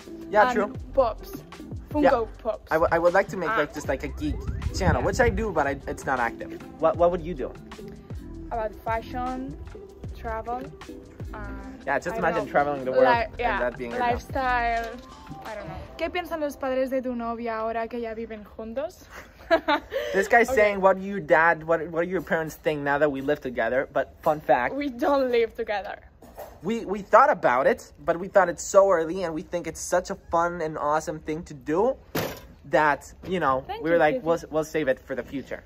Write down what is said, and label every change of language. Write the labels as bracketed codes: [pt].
[en] Yeah, and true. Pops. Fungo, yeah. Pops. I would like to make like a geek channel, which I do, but it's not active. What would you do? About fashion, travel. Yeah, just imagine traveling the world and that being lifestyle. I don't know. [es] ¿Qué piensan los padres de tu novia ahora que ya viven juntos? [en] This guy's saying what do your parents think now that we live together? But fun fact, we don't live together. We thought about it, but we thought it's so early and we think it's such a fun and awesome thing to do that, you know, we'll save it for the future.